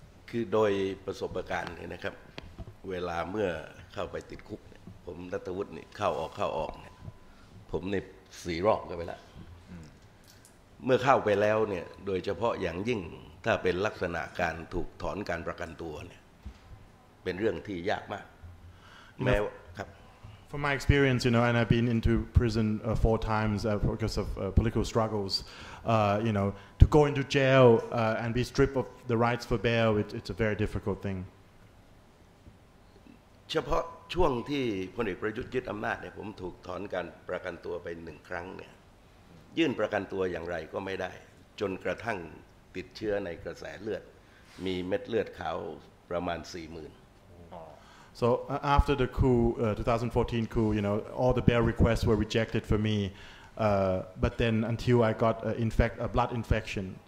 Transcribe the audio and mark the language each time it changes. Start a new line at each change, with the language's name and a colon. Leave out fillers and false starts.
Thai: คือโดยประสบการณ์นะครับเวลาเมื่อเข้าไปติดคุกผมรัฐวุฒินี่เข้าออกเนี่ยผมในสี่รอบก็ไปแล้วเมื่อเข้าไปแล้วเนี่ยโดยเฉพาะอย่างยิ่งถ้าเป็นลักษณะการถูกถอนการประกันตัวเนี่ยเป็นเรื่องที่ยากมากแม้ครับ
English: From my experience you know and I've been into prison four times because of political strugglesyou know to go into jail and be stripped of the rights for bail it's a very difficult thing
Thai: เฉพาะช่วงที่พลเอกประยุทธ์ยึดอำนาจเนี่ยผมถูกถอนการประกันตัวไป1ครั้งเนี่ยยื่นประกันตัวอย่างไรก็ไม่ได้จนกระทั่งติดเชื้อในกระแสเลือดมีเม็ดเลือดขาวประมาณ 40,000
English: So after the coup 2014 coup you know all the bail requests were rejected for meBut then until I got a blood infection.